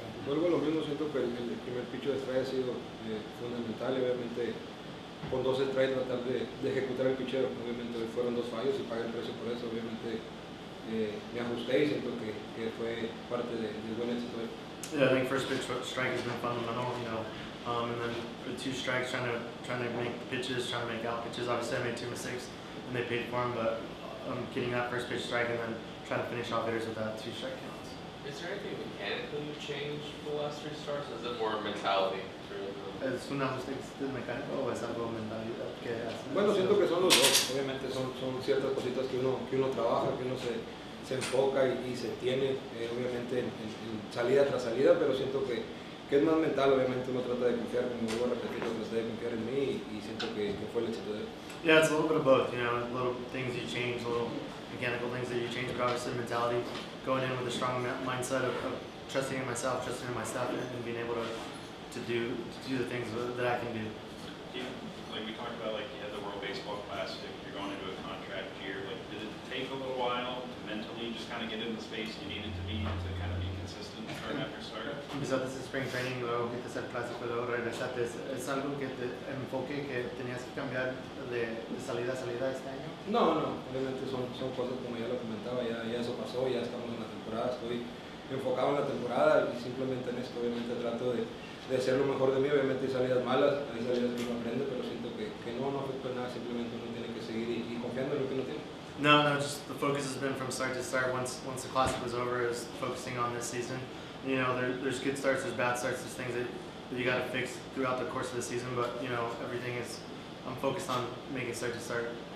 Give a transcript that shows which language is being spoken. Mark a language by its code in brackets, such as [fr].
[es] Vuelvo a lo mismo, siento que el primer picho de strike ha sido fundamental, obviamente con dos strikes tratar de ejecutar el pichero, obviamente hoy fueron dos fallos y pagué el precio por eso, obviamente me ajusté y siento que fue parte del buen éxito. [en] Yeah, I think first pitch strike has been fundamental, you know, and then for two strikes trying to make pitches, trying to make out pitches. Obviously I made two mistakes and they paid for them, but getting that first pitch strike and then trying to finish off hitters with that two strike count. Is there anything mechanically you've changed for the last three starts? Is it more mentality? [es] Es una cuestión mecánica o es algo mental que hace. Bueno, siento que son los dos. Obviamente son ciertas cositas que uno trabaja, que uno se enfoca y se tiene, obviamente en salida tras salida, pero siento que es más mental. Obviamente uno trata de confiar, como vuelvo a repetir, lo que se debe confiar en mí y siento que fue el éxito de él. [en] Yeah, it's a little bit of both, you know, little things you change, little mechanical things that you change, but obviously mentality. Going in with a strong mindset of trusting in myself, trusting in my staff, and being able to do the things that I can do. Like we talked about, like you had the World Baseball Classic, you're going into a contract year. Like, did it take a little while to mentally just kind of get in the space you needed to be to kind of be consistent start after start? [es] Empezó desde spring training, luego viste el clásico, luego regresaste. ¿Es algo que te enfoque que tenías que cambiar de salida a salida este año? No, obviamente son cosas como ya lo comentaba, ya eso pasó, ya estamos en la temporada, estoy enfocado en la temporada y simplemente en esto obviamente trato de hacer lo mejor de mí, obviamente hay salidas malas, hay salidas que uno aprende, pero siento que no afecta nada, simplemente uno tiene que seguir y confiando en lo que uno tiene. [en] No, just the focus has been from start to start, once the classic was over, is focusing on this season. You know, there's good starts, there's bad starts, there's things that you got to fix throughout the course of the season, but you know, everything is, I'm focused on making start to start.